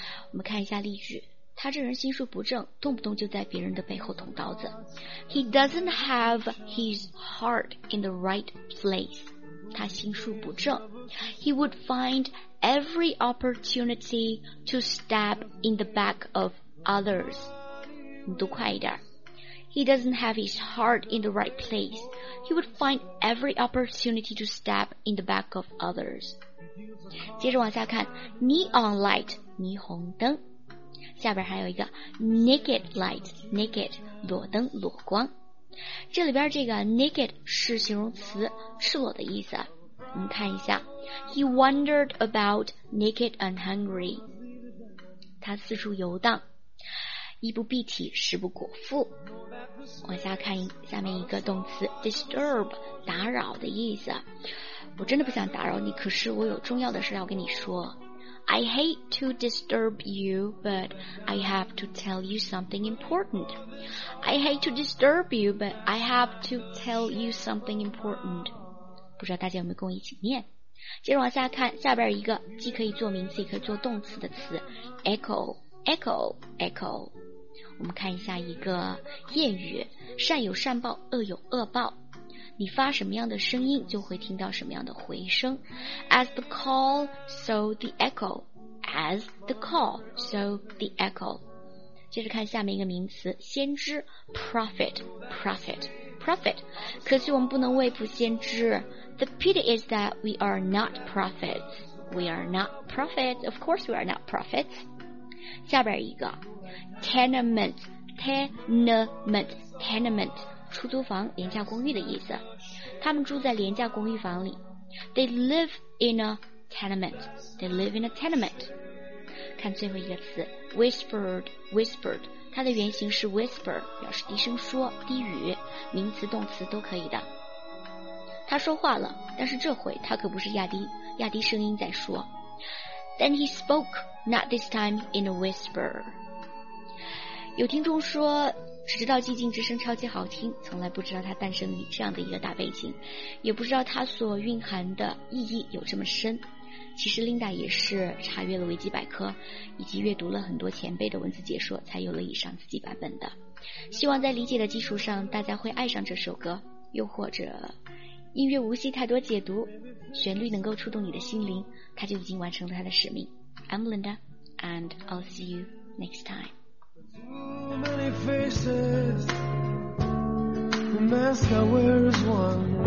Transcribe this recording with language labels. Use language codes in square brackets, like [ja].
[zh] 我们看一下例句，他这人心术不正，动不动就在别人的背后捅刀子。 [en] He doesn't have his heart in the right place. [zh] 他心术不正。 [en] He would find every opportunity to stab in the back of others. [zh] 你读快一点。 [en] He doesn't have his heart in the right place. He would find every opportunity to stab in the back of others. [zh] 接着往下看 ,neon light, 霓虹灯。下边还有一个 naked light, naked, 裸灯、裸光。这里边这个 naked 是形容词赤裸的意思。 [en] 我们看一下 ,he wandered about naked and hungry. [zh] 他四处游荡。衣不蔽体，食不果腹。往下看下面一个动词 disturb， 打扰的意思。我真的不想打扰你，可是我有重要的事要跟你说。 [en] I hate to disturb you, but I have to tell you something important. I hate to disturb you, but I have to tell you something important. [zh] 不知道大家有没有跟我一起念？接着往下看，下边一个既可以做名词，也可以做动词的词 ，echo, echo, echo。我们看一下一个谚语：善有善报，恶有恶报。你发什么样的声音就会听到什么样的回声。 [en] As the call, so the echo. As the call, so the echo. [zh] 接着看下面一个名词，先知 Prophet, Prophet, Prophet. 可惜我们不能未卜先知。 [en] The pity is that we are not prophets. We are not prophets. Of course we are not prophets. 下边一个 Tenement, Tenement, Tenement. [zh] 出租房，廉价公寓的意思。他们住在廉价公寓房里。 [en] They live in a tenement. They live in a tenement. [zh] 看最后一个词 ，whispered, whispered. 它的原型是 whisper， 表示低声说、低语，名词、动词都可以的。他说话了，但是这回他可不是压低声音在说。 [en] Then he spoke, not this time in a whisper. [zh] 有听众说。只知道寂静之声超级好听，从来不知道它诞生于这样的一个大背景，也不知道它所蕴含的意义有这么深。其实 Linda 也是查阅了维基百科，以及阅读了很多前辈的文字解说，才有了以上自己版本的。希望在理解的基础上，大家会爱上这首歌，又或者音乐无需太多解读，旋律能够触动你的心灵，它就已经完成了它的使命。 [en] I'm Linda and I'll see you next time。 Too many faces, the mask I wear is one.